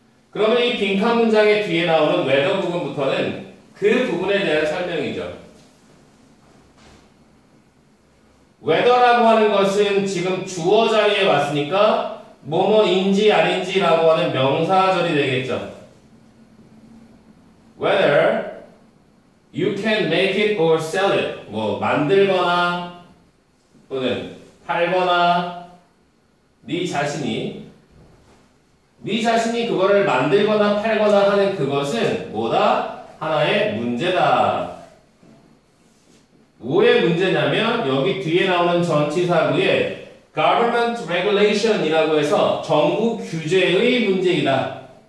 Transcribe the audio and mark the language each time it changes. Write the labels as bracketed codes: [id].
[ko] 그러면 이 빈칸 문장의 뒤에 나오는 whether 부분부터는 그 부분에 대한 설명이죠. whether라고 하는 것은 지금 주어 자리에 왔으니까 뭐뭐인지 아닌지라고 하는 명사절이 되겠죠. [en] whether you can make it or sell it. [ko] 뭐 만들거나 또는 팔거나 네 자신이 네 자신이 그거를 만들거나 팔거나 하는 그것은 뭐다? 하나의 문제다. 뭐의 문제냐면 여기 뒤에 나오는 전치사구에 government regulation이라고 해서 정부 규제의 문제이다.